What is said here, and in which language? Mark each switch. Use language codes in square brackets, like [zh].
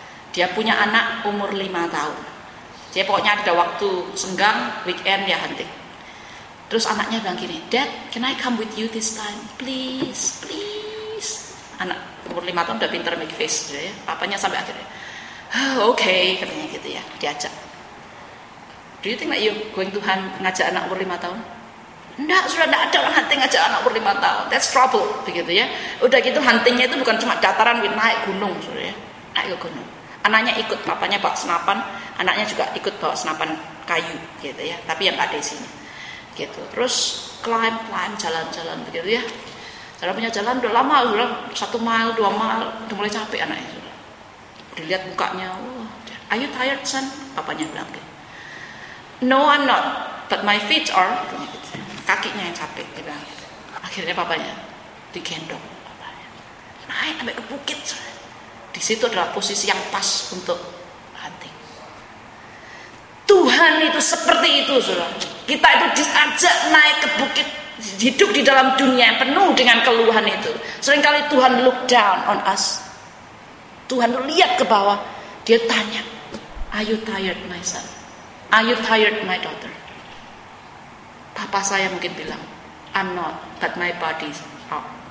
[id] Dia punya anak umur 5 tahun. Dia pokoknya ada waktu senggang, weekend dia hunting. Terus anaknya bilang gini, [en] Dad, can I come with you this time? Please, please. [id] Anak umur 5 tahun udah pinter make face. Gitu ya. Papanya sampai akhirnya, okay, katanya gitu ya, diajak. [en] Do you think that you're going to [id] ngajak anak umur 5 tahun? Enggak, sudah enggak ada hunting ngajak anak umur 5 tahun. [en] That's trouble, [id] begitu ya. Udah gitu huntingnya itu bukan cuma dataran, naik gunung, sudah ya, naik ke gunung. Anaknya ikut, papanya bawa senapan, anaknya juga ikut bawa senapan kayu, gitu ya. Tapi yang ada isinya. Gitu. Terus [en] climb, climb, [id] jalan-jalan begitu ya. Jalan punya jalan udah lama, udah 1 mile, 2 mile, udah mulai capek anaknya. Sudah. Dilihat mukanya, [en] oh, are you tired, son? [id] Papanya bilang, [en] no, I'm not, but my feet are, [id] katanya gitu. Kakinya yang capek, dia bilang. Akhirnya papanya digendong. Papanya. Naik sampai ke bukit. Di situ adalah posisi yang pas untuk hunting. Tuhan itu seperti itu, saudara. Kita itu diajak naik ke bukit, hidup di dalam dunia yang penuh dengan keluhan itu. Seringkali Tuhan [en] look down on us. [id] Tuhan itu lihat ke bawah, dia tanya, [en] are you tired, my son? Are you tired, my daughter? [id] Papa saya mungkin bilang, [en] I'm not, but my body is out.